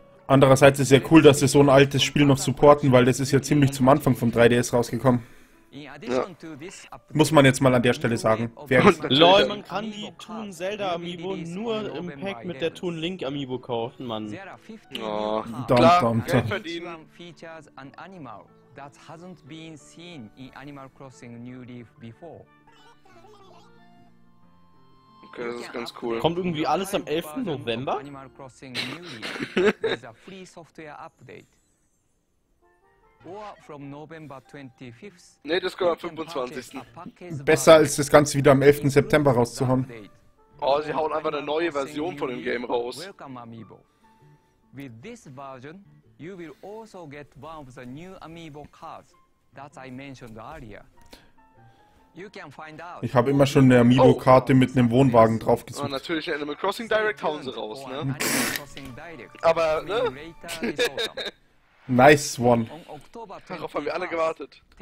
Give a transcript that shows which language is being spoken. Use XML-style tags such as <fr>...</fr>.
<de>Andererseits ist es ja cool, dass sie so ein altes Spiel noch supporten, weil das ist ja ziemlich zum Anfang vom 3DS rausgekommen. Ja. Muss man jetzt mal an der Stelle sagen. Lol, man kann die Toon Zelda Amiibo nur im Pack mit der Toon Link Amiibo kaufen, Mann. Oh, klar, Geld verdienen.</de> <en>Features and Animal that hasn't been seen in Animal Crossing New Leaf before.</en> <de>Okay, das ist ganz cool. Kommt irgendwie alles am 11. November?</de> <en>Animal Crossing New Leaf is a free software update. Or from November 25th.</en> <de>Nee, das kommt am 25. Besser als das Ganze wieder am 11. September rauszuhauen. Oh, sie hauen einfach eine neue Version von dem Game raus.</de> <en>Welcome Amiibo. With this version, you will also get one of the new Amiibo cards that I mentioned earlier.</en> <de>Ich habe immer schon eine Amiibo-Karte mit einem Wohnwagen draufgesucht. Und natürlich Animal Crossing Direct hauen sie raus, ne? Aber, ne?</de> <en>Nice one.</en> <de>Darauf haben wir alle gewartet.</de>